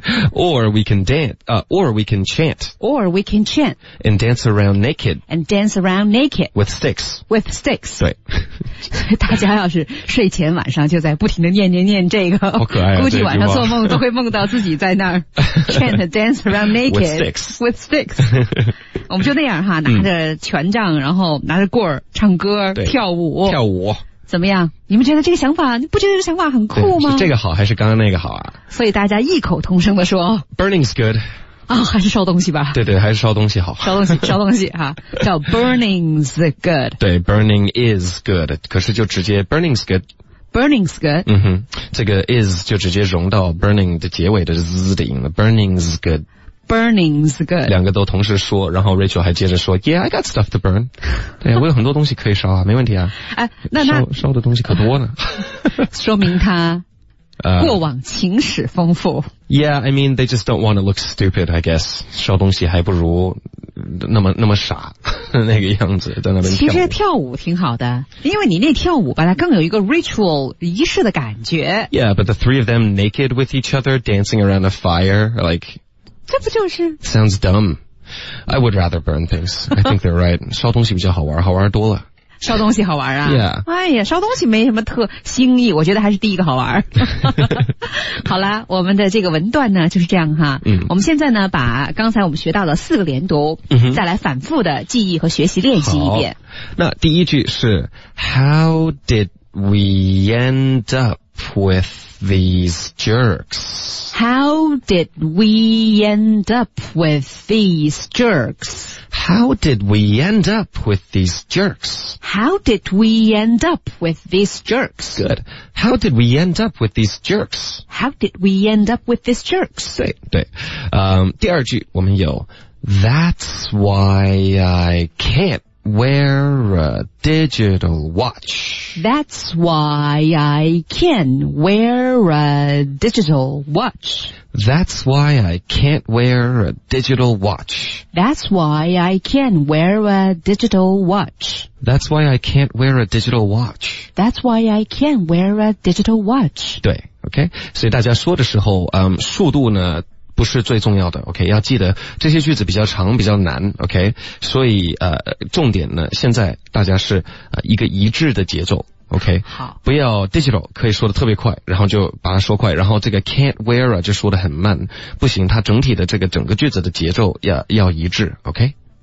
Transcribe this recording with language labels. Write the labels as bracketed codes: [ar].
[en] or we can chant and dance around naked with sticks [zh] 对，大家要是睡前晚上就在不停的念这个，好可爱、啊、估计晚上做梦都会梦到自己在那儿 [en] chant dance around naked with sticks [zh] 我们就那样哈，拿着权杖、嗯、然后拿着棍儿唱歌跳舞怎么样，你们觉得这个想法，你不觉得这个想法很酷吗？是这个好还是刚刚那个好啊？所以大家异口同声地说 [en] Burning's good [zh] 啊、哦，还是烧东西吧，对对，还是烧东西好，烧东西哈，叫 [en] Burning's good, [zh] 对 Burning is good, 可是就直接 Burning's good 嗯哼，这个 is 就直接融到 Burning 的结尾的 z 的音了， Burning's good 两个都同时说，然后 Rachel 还接着说 [en] Yeah, I got stuff to burn [zh] 对，我有很多东西可以烧啊，没问题啊、哎、那烧的东西可多呢说明他过往情史丰富。 [en] Yeah, I mean, they just don't want to look stupid, I guess. [zh] 烧东西还不如那么傻那个样子在那边跳舞。其实跳舞挺好的，因为你那跳舞吧，它更有一个 ritual 仪式的感觉。 [en] Yeah, but the three of them naked with each other, dancing around a fire, like... [zh] 这不就是 [en] Sounds dumb. I would rather burn things. I think they're right. [zh] 烧东西比较好玩，好玩多了。烧东西好玩啊、 [en] yeah. [zh] 哎呀，烧东西没什么特新意，我觉得还是第一个好玩好了，我们的这个文段呢就是这样哈、嗯、我们现在呢把刚才我们学到的四个连读、嗯、再来反复的记忆和学习练习一遍。那第一句是 [en] How did we end up with these jerks? How did we end up with these jerks? How did we end up with these jerks? How did we end up with these jerks? Good. How did we end up with these jerks? How did we end up with these jerks? [zh] 对对。第二句我们有 [en] That's why I can't wear a digital watch. That's why I can't wear a digital watch. That's why I can't wear a digital watch. That's why I can't wear a digital watch. That's why I can't wear a digital watch. That's why I can't wear a digital watch. [zh] 对 ,OK? 所以大家说的时候、速度呢不是最重要的 ,OK? 要记得这些句子比较长比较难 ,OK? 所以重点呢现在大家是、一个一致的节奏。 OK, 好，不要 digital, 可以说得特别快，然后就把它说快，然后这个 can't wear 就说得很慢，不行，它整体的这个整个句子的节奏要一致 ,OK?